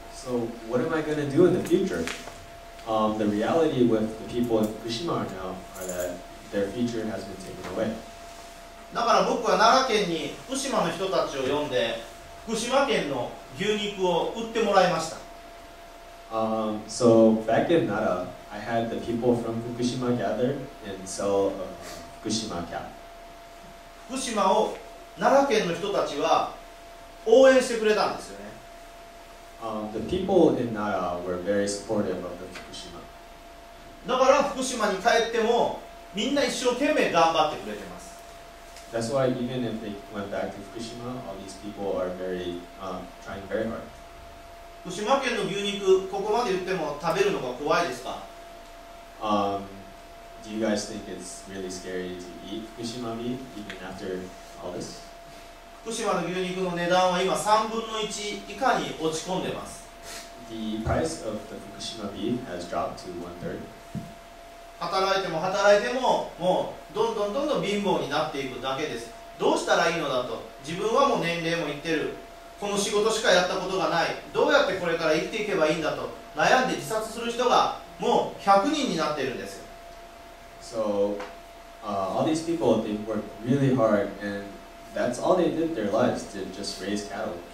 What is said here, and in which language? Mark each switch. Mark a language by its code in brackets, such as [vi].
[en] So what am I going to do in the future? The reality with the people in Fukushima right now are that their future has been taken away. [ja] だから僕は奈良県に福島の人たちを呼んで、福島県の牛肉を売ってもらいました。 [en] So back in Nara, I had the people from Fukushima gather and sell福島 [ja] を奈良県の人たちは応援してくれたんですよね。 [en] The people in Nara were very supportive of the Fukushima. [ja] だから福島に帰ってもみんな一生懸命頑張ってくれてます。 [en] That's why even if they went back to Fukushima, all these people are very, trying very hard. [ja] 福島県の牛肉、ここまで言っても食べるのが怖いですか？ [en] Do you guys think it's really scary to eat Fukushima meat even after all this? [ja] 福島の牛肉の値段は今3分の1以下に落ち込んでます。 [en] The price of the Fukushima meat has dropped to 1/3. [ja] 働いても働いてももうどんどんどんどん貧乏になっていくだけです。どうしたらいいのだと、自分はもう年齢もいってる。この仕事しかやったことがない。どうやってこれから生きていけばいいんだと悩んで自殺する人がもう100人になっているんですよ。 [en] So, all these people, they worked really hard, and that's all they did their lives, to just raise cattle.